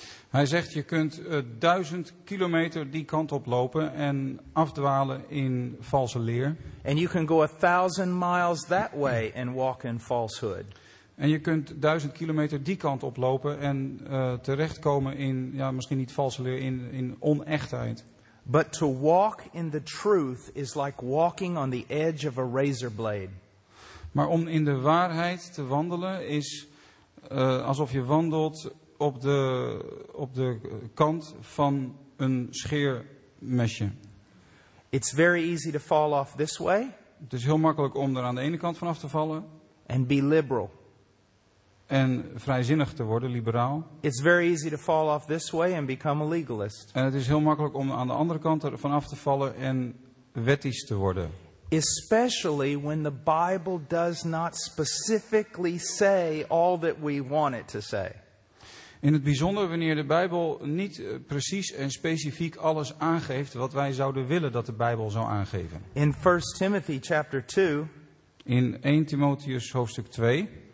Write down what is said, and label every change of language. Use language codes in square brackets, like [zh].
[nl] Hij zegt, je kunt 1,000 kilometer die kant op lopen en afdwalen in valse leer. [en] And you can go 1,000 miles that way and walk in falsehood. [nl] En je kunt 1,000 kilometer die kant op lopen en terechtkomen in, ja, misschien niet valse leer, in onechtheid. [en] But to walk in the truth is like walking on the edge of a razor blade. [nl] Maar om in de waarheid te wandelen is alsof je wandelt op de kant van een scheermesje. [en] It's very easy to fall off this way. [nl] Het is heel makkelijk om er aan de ene kant vanaf te vallen. [en] And be liberal. [nl] En vrijzinnig te worden, liberaal. [en] It's very easy to fall off this way and become a legalist. [nl] En het is heel makkelijk om aan de andere kant er vanaf te vallen en wettisch te worden. [en] Especially when the Bible does not specifically say all that we want it to say. [nl] In het bijzonder wanneer de Bijbel niet precies en specifiek alles aangeeft wat wij zouden willen dat de Bijbel zou aangeven. [en] In 1 Timothy chapter 2. [nl] In 1 Timotheus hoofdstuk 2.